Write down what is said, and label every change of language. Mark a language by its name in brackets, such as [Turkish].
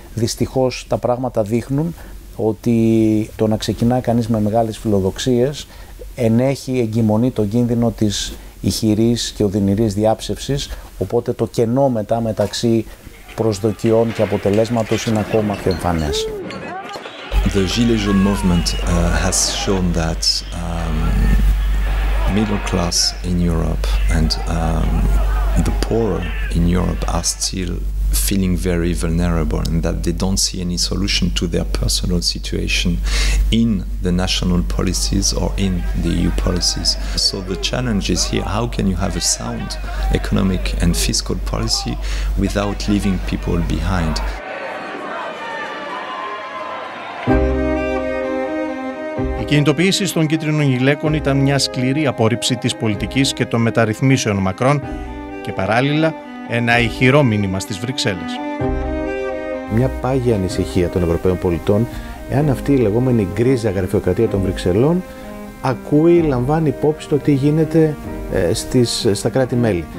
[Greek] Δυστυχώς τα πράγματα δείχνουν ότι το να ξεκινά κανείς με μεγάλες φιλοδοξίες ενέχει, εγκυμονεί τον κίνδυνο της ηχηρής και οδυνηρής διάψευσης, οπότε το κενό μετά μεταξύ προσδοκιών και αποτελέσματος είναι ακόμα πιο εμφανές. [English] The Gilets Jaunes movement has shown that middle class in Europe and the poorer in Europe are still feeling very vulnerable and that they don't see any solution to their personal situation in the national policies or in the EU policies. So the challenge is here, how can you have a sound economic and fiscal policy without leaving people behind? [Greek] κινητοποίηση των κίτρινων γυλαίκων ήταν μια σκληρή απόρριψη της πολιτικής και των μεταρρυθμίσεων Μακρόν και παράλληλα ένα ηχηρό μήνυμα στις Βρυξέλλες. Μια πάγια ανησυχία των Ευρωπαίων πολιτών, εάν αυτή η λεγόμενη γκρίζα γραφειοκρατία των Βρυξελών ακούει, λαμβάνει υπόψη το τι γίνεται στα κράτη-μέλη.